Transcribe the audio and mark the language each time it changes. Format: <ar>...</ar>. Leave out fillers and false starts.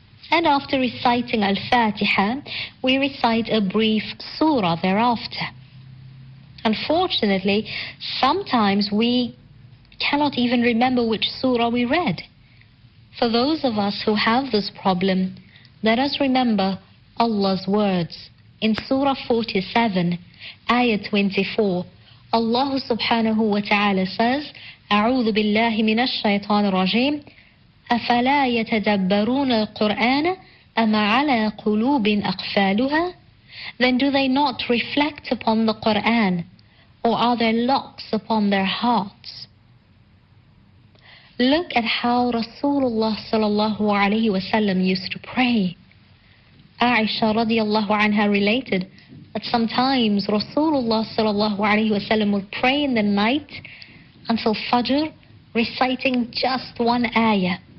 <en>And after reciting Al-Fatiha, we recite a brief surah thereafter. Unfortunately, sometimes we cannot even remember which surah we read. For those of us who have this problem, let us remember Allah's words. In Surah 47, Ayah 24, Allah subhanahu wa ta'ala says,</en> <ar>أعوذ بالله من الشيطان الرجيم أَفَلَا يَتَدَبَّرُونَ الْقُرْآنَ أَمَا عَلَىٰ قُلُوبٍ أَقْفَالُهَا.</ar> <en>Then do they not reflect upon the Qur'an, or are there locks upon their hearts? Look at how Rasulullah sallallahu alayhi wa sallam used to pray. Aisha radiallahu anha related that sometimes Rasulullah sallallahu alayhi wa sallam would pray in the night until Fajr, reciting just one ayah.</en>